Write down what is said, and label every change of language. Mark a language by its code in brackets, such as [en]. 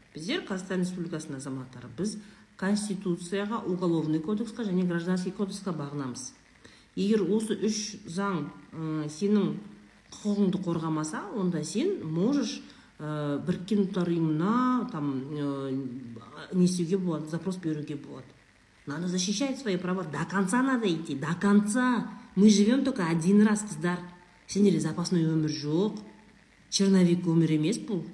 [kk] Біздер Қазақстан Республикасының азаматтары, біз конституцияға, уголовный кодексқа және гражданский кодексқа бағынамыз. Егер осы үш заң сенің құқығыңды қорғамаса, онда сен [ru] можешь [kk] біріккен ұлттар ұйымына там несуге болады, запрос беруге болады. [ru] Надо защищать свои права, до конца надо идти, до конца. Мы живем только один раз, [kk] қыздар. Сендерде [ru] запасной [kk] өмір жоқ, [ru] черновик [kk] өмір емес бұл.